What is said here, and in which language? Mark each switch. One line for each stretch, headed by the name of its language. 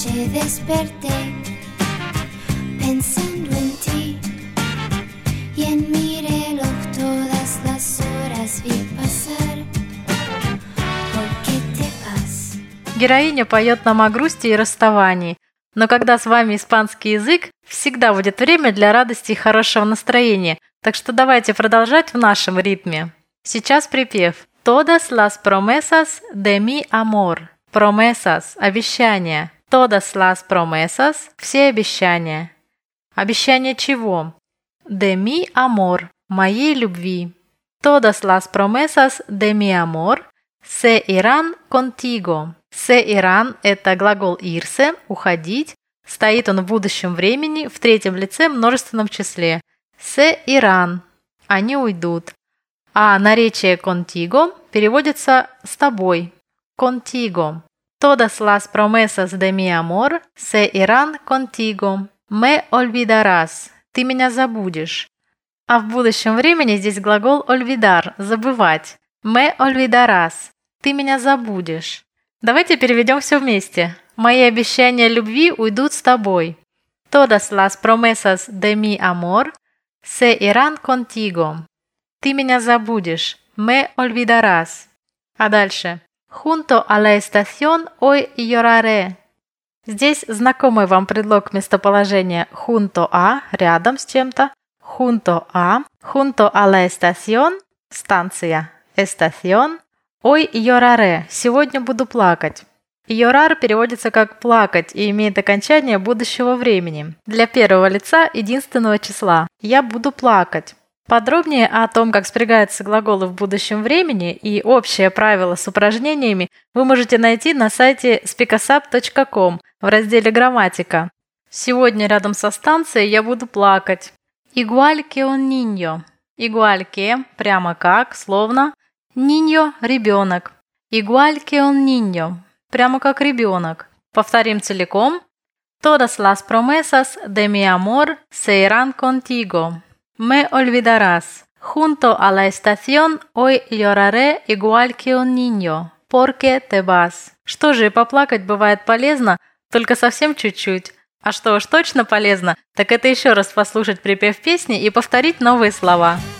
Spanish: Desperté pensando en ti y en mi reloj todas las horas vi pasar. ¿Por qué te vas?
Russian: Героиня поет нам о грусти и расставании, но когда с вами испанский язык, всегда будет время для радости и хорошего настроения. Так что давайте продолжать в нашем ритме. Сейчас припев.
Spanish: Todas las promesas de mi amor.
Russian: Promesas – обещания.
Spanish: Todas las promesas
Russian: – все обещания. Обещания чего?
Spanish: De mi amor –
Russian: моей любви.
Spanish: Todas las promesas de mi amor se irán contigo. Se irán
Russian: – это глагол irse – уходить. Стоит он в будущем времени в третьем лице множественном числе.
Spanish: Se irán
Russian: – они уйдут. А наречие contigo переводится «с тобой».
Spanish: Contigo. Todas las promesas de mi amor se irán contigo. Me olvidarás.
Russian: Ты меня забудешь. А в будущем времени здесь глагол olvidar – забывать.
Spanish: Me olvidarás.
Russian: Ты меня забудешь. Давайте переведем все вместе. Мои обещания любви уйдут с тобой.
Spanish: Todas las promesas de mi amor se irán contigo.
Russian: Ты меня забудешь.
Spanish: Me olvidarás.
Russian: А дальше.
Spanish: Junto a la estación hoy lloraré.
Russian: Здесь знакомый вам предлог местоположения
Spanish: junto a,
Russian: рядом с чем-то.
Spanish: Junto a. Junto a la estación. Станция. Estación. Hoy lloraré.
Russian: Сегодня буду плакать. Llorar переводится как плакать и имеет окончание будущего времени. Для первого лица единственного числа. Я буду плакать. Подробнее о том, как спрягаются глаголы в будущем времени и общее правило с упражнениями вы можете найти на сайте speakusup.com в разделе «Грамматика». Сегодня рядом со станцией я буду плакать.
Spanish: Igual que un niño. Igual que
Russian: – прямо как, словно. Niño – ребенок.
Spanish: Igual que un niño.
Russian: Прямо как ребенок. Повторим целиком.
Spanish: Todas las promesas de mi amor se irán contigo. Me olvidarás. Junto a la estación hoy lloraré igual que un niño. Porque te vas.
Russian: Что же, поплакать бывает полезно, только совсем чуть-чуть. А что уж точно полезно, так это еще раз послушать припев песни и повторить новые слова.